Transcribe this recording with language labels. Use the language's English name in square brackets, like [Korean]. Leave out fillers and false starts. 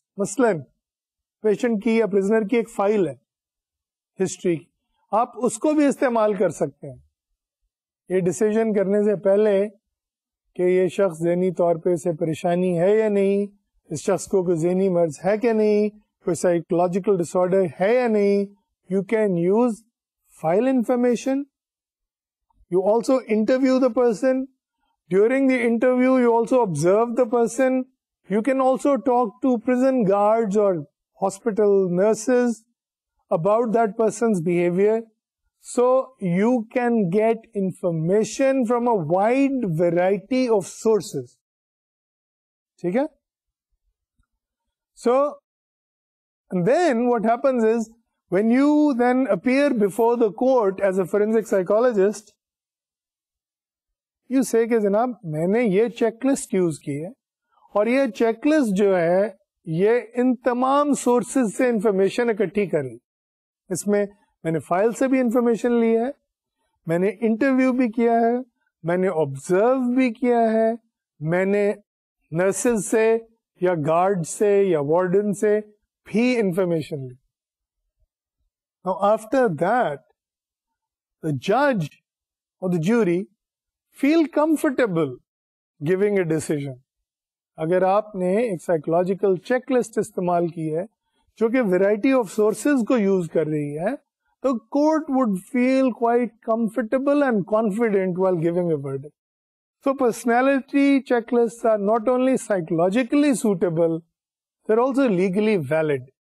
[Urdu] مثلاً پیشنٹ کی یا پرزنر کی ایک فائل ہے ہسٹری کی, آپ اس کو بھی استعمال کر سکتے ہیں یہ ڈسیزن کرنے سے پہلے کہ یہ شخص ذہنی طور پہ اسے پریشانی ہے یا نہیں, اس شخص کو کوئی ذہنی مرض ہے کہ نہیں, کوئی سائیکولوجیکل ڈس آرڈر ہے یا نہیں. [English] You can use file information, you also interview the person, during the interview you also observe the person, you can also talk to prison guards or hospital nurses about that person's behaviour. So you can get information from a wide variety of sources. [Urdu] Theek hai? [English] So, and then what happens is, when you then appear before the court as a forensic psychologist, you say [Urdu] کہ جناب میں نے یہ check list use کی ہے اور یہ چیک لسٹ جو ہے یہ ان تمام سورسز سے انفارمیشن اکٹھی کری. اس میں میں نے فائل سے بھی انفارمیشن لی ہے, میں نے انٹرویو بھی کیا ہے, میں نے آبزرو بھی کیا ہے, میں نے نرسز سے یا گارڈ سے یا وارڈن سے بھی انفارمیشن لی. [English] Now after that, the judge or the jury feel comfortable giving a decision. [Urdu] اگر آپ نے ایک سائیکولوجیکل چیک لسٹ استعمال کی ہے جو کہ ورائٹی آف سورسز کو یوز کر رہی ہے, تو [English] Court would feel quite comfortable and confident while giving a verdict. So personality checklist are not only psychologically suitable, they are also legally valid.